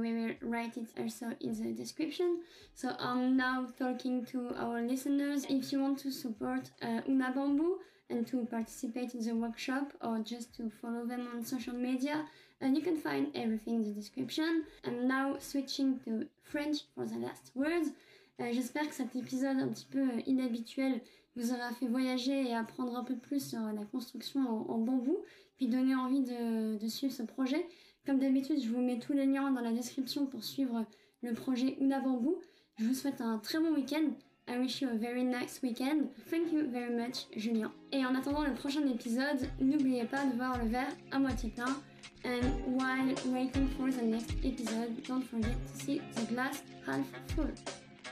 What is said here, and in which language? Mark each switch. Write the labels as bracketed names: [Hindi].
[English] We will write it also in the description. So I'm now talking to our listeners. If you want to support Unabambu and to participate in the workshop or just to follow them on social media, and you can find everything in the description. I'm now switching to French for the last words. [French] J'espère que cet épisode un petit peu inhabituel vous aura fait voyager et apprendre un peu plus sur la construction en bambou, puis donner envie de suivre ce projet. Comme d'habitude, je vous mets tous les liens dans la description pour suivre le projet Unabambu. Je vous souhaite un très bon week-end. [English] I wish you a very nice weekend. Thank you very much, [French] Julien. Et en attendant le prochain épisode, n'oubliez pas de voir le verre à moitié plein. [English] And while waiting for the next episode, don't forget to see the glass half full.